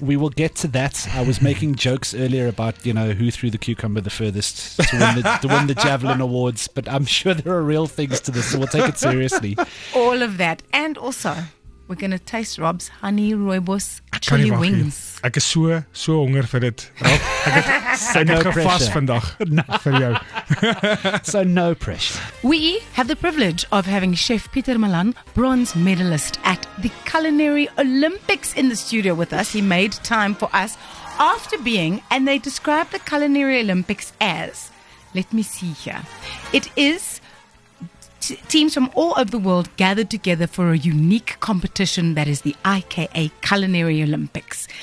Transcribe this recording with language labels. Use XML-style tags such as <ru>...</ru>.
<en>We will get to that. I was making jokes earlier about, you know, who threw the cucumber the furthest to win the Javelin Awards, but I'm sure there are real things to this. So we'll take it seriously. All of that. And also, we're going to taste Rob's honey rooibos chili wings.</en> <af>Ek is so honger vir dit. Rob, ek het gevast vandag vir jou.</af> <en>So no pressure. We have the privilege of having Chef Pieter Malan, bronze medalist at the Culinary Olympics in the studio with us. He made time for us after being, and they describe the Culinary Olympics as, let me see here, it is teams from all over the world gathered together for a unique competition that is the IKA Culinary Olympics.</en>